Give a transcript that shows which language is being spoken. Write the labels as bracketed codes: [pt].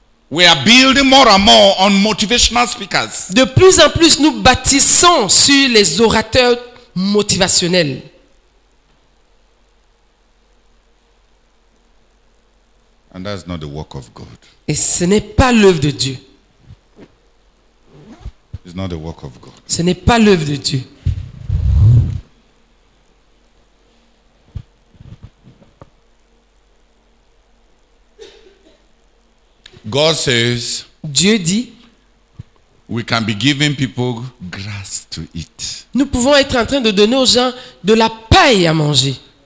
[en] We are building more and more on motivational speakers. [fr] De plus en plus, nous bâtissons sur les orateurs motivationnels. [en] And that's not the work of God. [fr] Et ce n'est pas l'œuvre de Dieu. [en] It's not the work of God. [fr] Ce n'est pas l'œuvre de Dieu. [en] God says, [fr] Dieu dit, [en] we can be giving people grass to eat. [fr] Nous pouvons être en train de donner aux gens de la paille à manger.